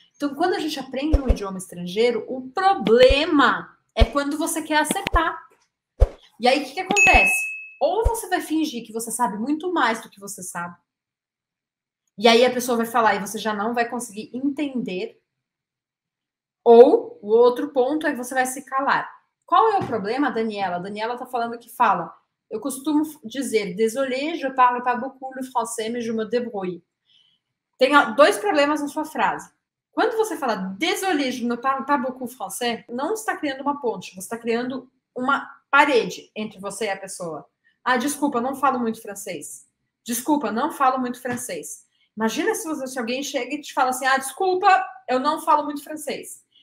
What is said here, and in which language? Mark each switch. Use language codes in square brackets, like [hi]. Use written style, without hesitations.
[pt] Então, quando a gente aprende um idioma estrangeiro, o problema é quando você quer acertar. E aí, o que que acontece? Ou você vai fingir que você sabe muito mais do que você sabe. E aí a pessoa vai falar e você já não vai conseguir entender. Ou o outro ponto é que você vai se calar. Qual é o problema, Daniela? Daniela tá falando que fala. Eu costumo dizer: [fr] Désolé, je parle pas beaucoup le français, mais je me débrouille. [pt] Tem dois problemas na sua frase. Quando você fala [fr] désolé, je ne parle pas beaucoup français, [pt] não está criando uma ponte, você está criando uma parede entre você e a pessoa. Ah, desculpa, não falo muito francês. Desculpa, não falo muito francês. Imagina se você, se alguém chega e te fala assim: ah, desculpa, eu não falo muito francês.